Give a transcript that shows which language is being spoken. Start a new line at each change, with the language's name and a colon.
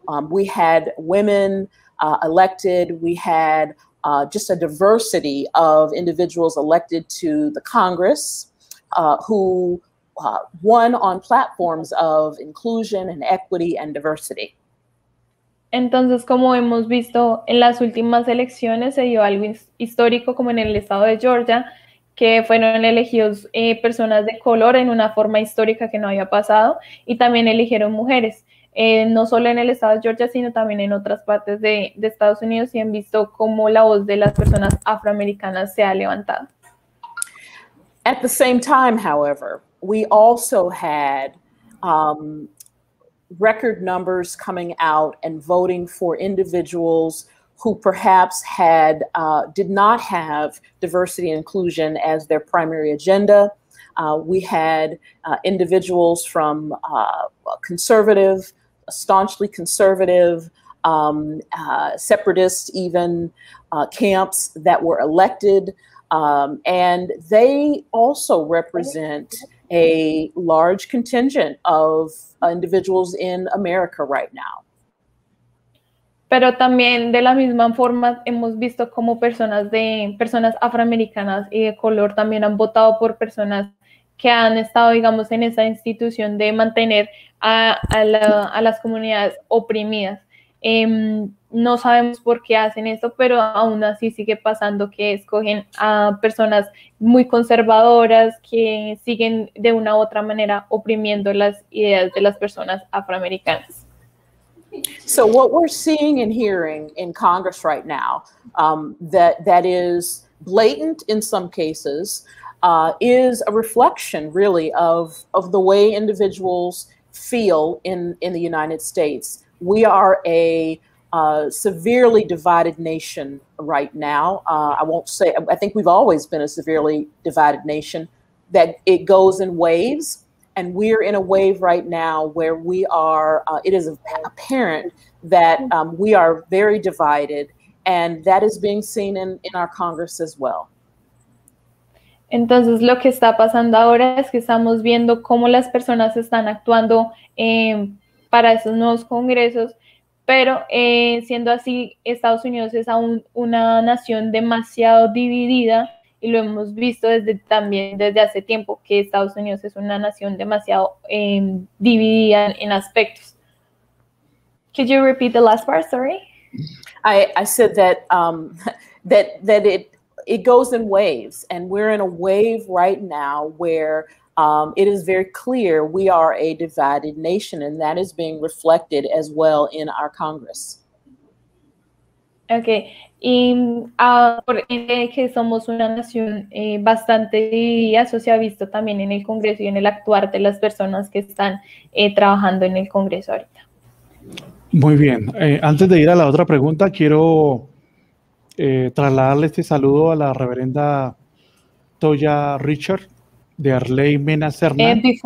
English: We had women elected. We had just a diversity of individuals elected to the Congress who won on platforms of inclusion and equity and diversity.
Spanish: Entonces, como hemos visto en las últimas elecciones, se dio algo histórico como en el estado de Georgia, que fueron elegidos personas de color en una forma histórica que no había pasado, y también eligieron mujeres. no solo en el estado de Georgia, sino también en otras partes de Estados Unidos, y han visto cómo la voz de las personas afroamericanas se ha levantado.
English: At the same time, however, we also had record numbers coming out and voting for individuals who perhaps had did not have diversity and inclusion as their primary agenda. We had individuals from conservative, staunchly conservative, separatist even camps that were elected. And they also represent a large contingent of individuals in America right now.
Spanish: Pero también de la misma forma hemos visto cómo personas afroamericanas y de color también han votado por personas que han estado, digamos, en esa institución de mantener a las comunidades oprimidas. No sabemos por qué hacen esto, pero aún así sigue pasando que escogen a personas muy conservadoras que siguen de una u otra manera oprimiendo las ideas de las personas afroamericanas.
English: So what we're seeing and hearing in Congress right now, that is blatant in some cases, is a reflection really of the way individuals feel in the United States. We are a severely divided nation right now. I think we've always been a severely divided nation, that it goes in waves. And we're in a wave right now where we are, it is apparent that we are very divided, and that is being seen in our Congress as well.
Spanish: Entonces, lo que está pasando ahora es que estamos viendo cómo las personas están actuando para esos nuevos congresos, pero siendo así, Estados Unidos es aún una nación demasiado dividida. Y lo hemos visto desde hace tiempo, que Estados Unidos es una nación demasiado dividida en aspectos.
English: Could you repeat the last part? Sorry. I said that it goes in waves, and we're in a wave right now where it is very clear we are a divided nation, and that is being reflected as well in our Congress.
Spanish: Okay, y que somos una nación bastante dividida, eso se ha visto también en el Congreso y en el actuar de las personas que están trabajando en el Congreso ahorita. Muy bien, antes de ir a la otra pregunta, quiero trasladarle este saludo a la reverenda Toya Richard de Arley Mena Cerna.